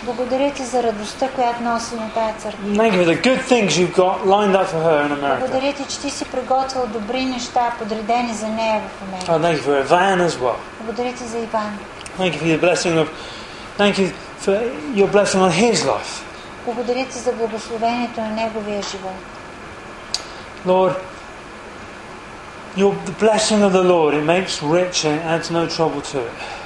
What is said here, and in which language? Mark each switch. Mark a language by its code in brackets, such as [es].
[bg] Благодаря ти за радостта, която носи на тази църква. [en] Thank you for the good things you've got lined up for her in America. [bg] Благодаря ти, че ти си приготвил добри неща, подредени за нея в Америка. [en] Thank you for Ivan as well. [bg] Благодаря ти за Иван. [en] Thank you for your blessing of, thank you for your blessing on his life. [bg] Благодаря ти за благословението на неговия живот. [en] Lord, the blessing of the Lord, it makes rich and adds no trouble to it.